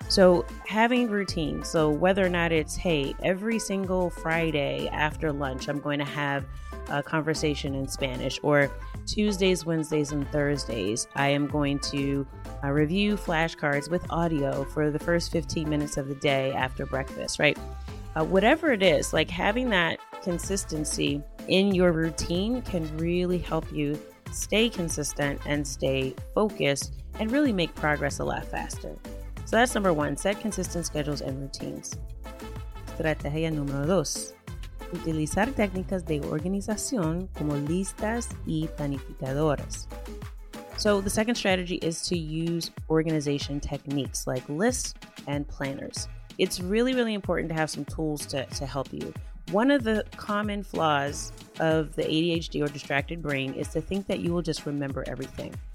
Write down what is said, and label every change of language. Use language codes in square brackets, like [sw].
[en] So having routines, so whether or not it's, hey, every single Friday after lunch, I'm going to have a conversation in Spanish, or Tuesdays, Wednesdays, and Thursdays, I am going to review flashcards with audio for the first 15 minutes of the day after breakfast, right? Whatever it is, like having that consistency in your routine can really help you stay consistent and stay focused and really make progress a lot faster. So that's 1, set consistent schedules and routines. [es] Estrategia 2, utilizar técnicas de organización como listas y planificadoras. [en] So the second strategy is to use organization techniques like lists and planners. It's really, really important to have some tools to help you. One of the common flaws of the ADHD or distracted brain is to think that you will just remember everything.